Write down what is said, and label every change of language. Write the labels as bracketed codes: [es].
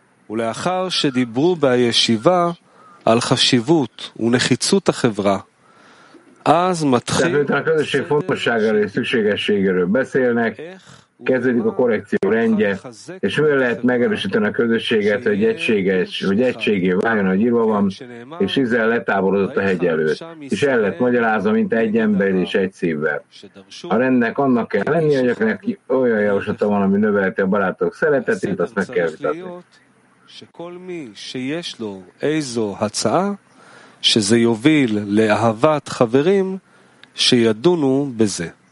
[he] ולאחר שדיברו בישיבה על חשיבות ונחיצות החברה, אז מתחיל... [hu] Tehát, hogy a közösség fontossággal és szükségességéről beszélnek, kezdődik a korrekció rendje, és mivel lehet megerősíteni a közösséget, hogy egységes, hogy egységé váljon, ahogy írva van, és Izrael letáborodott a hegy előtt, és el lett magyarázva, mint egy ember és egy szívvel. A rendnek annak kell lenni, hogy akinek olyan javaslata van, ami növelheti a barátok szeretetét, azt meg kell vitatni. [he] שכל מי שיש לו איזו הצעה שזה יוביל לאהבת חברים שידונו בזה.